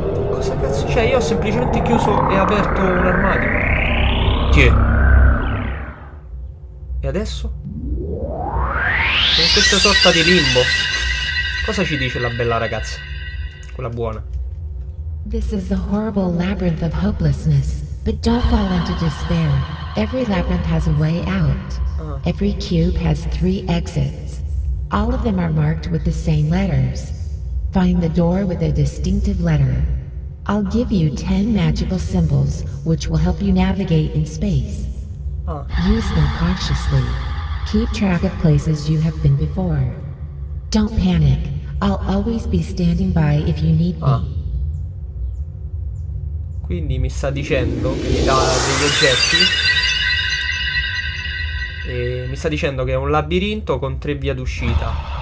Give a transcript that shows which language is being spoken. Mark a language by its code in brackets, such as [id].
[it] Cosa cazzo? Cioè, io ho semplicemente chiuso e aperto un armadio. Che? E adesso? In questa sorta di limbo. Cosa ci dice la bella ragazza? Quella buona. [en] This is a horrible labyrinth of hopelessness, but don't fall into despair. Every labyrinth has a way out. Every cube has three exits. All of them are marked with the same letters. Find the door with a distinctive letter. I'll give you 10 magical symbols which will help you navigate in space. Use them cautiously. Keep track of places you have been before. Don't panic. I'll always be standing by if you need me. [it] Quindi mi sta dicendo che mi dà degli oggetti. E mi sta dicendo che è un labirinto con tre vie d'uscita.